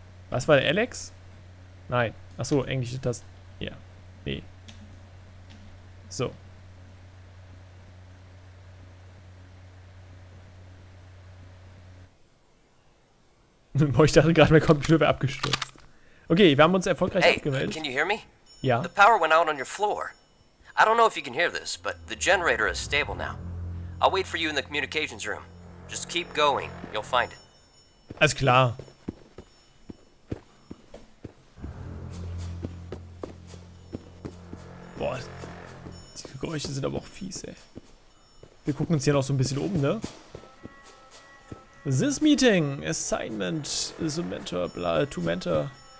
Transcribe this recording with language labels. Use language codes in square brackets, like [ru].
[de] Was war der Alex? Nein. Achso, englische Taste. Ja. Nee. So. Boah, ich dachte gerade, mein Computer wäre abgestürzt. Okay, wir haben uns erfolgreich abgemeldet. [en] Hey, can you hear me? [de] Ja. [en] The power went out on your floor. I don't know if you can hear this, but the generator is stable now. I'll wait for you in the communications room. Just keep going, you'll find it. [de] Alles klar. Boah, die Geräusche sind aber auch fies, ey. Wir gucken uns hier noch so ein bisschen um, ne? [en] This meeting, assignment, is a mentor, blah, to mentor.